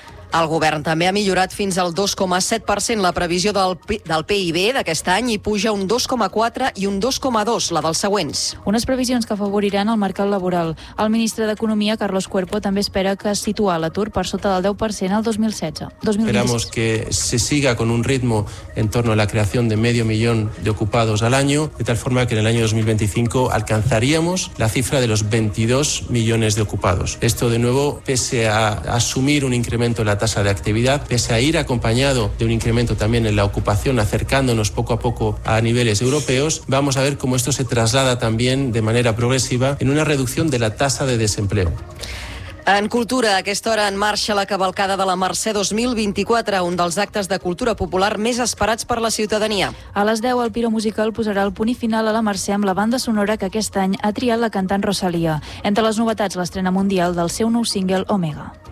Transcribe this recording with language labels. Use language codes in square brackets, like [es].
[ca] El govern també ha millorat fins al 2,7% la previsió del PIB d'aquest any i puja un 2,4 i un 2,2 la dels següents. Unes previsions que afavoriran el mercat laboral. El ministre d'Economia, Carlos Cuerpo, també espera que es situa l'atur per sota del 10% el 2016. [es] Esperamos que se siga con un ritmo en torno a la creación de medio millón de ocupados al año, de tal forma que en el año 2025 alcanzaríamos la cifra de los 22 millones de ocupados. Esto, de nuevo, pese a asumir un incremento la tasa de actividad, pese a ir acompañado de un incremento también en la ocupación, acercándonos poco a poco a niveles europeos, vamos a ver cómo esto se traslada también de manera progresiva en una reducción de la tasa de desempleo. [ca] En cultura, a aquesta hora en marxa la cavalcada de la Mercè 2024, un dels actes de cultura popular més esperats per la ciutadania. A les 10, el Piro Musical posarà el punt i final a la Mercè amb la banda sonora que aquest any ha triat la cantant Rosalía. Entre les novetats, l'estrena mundial del seu nou single Omega.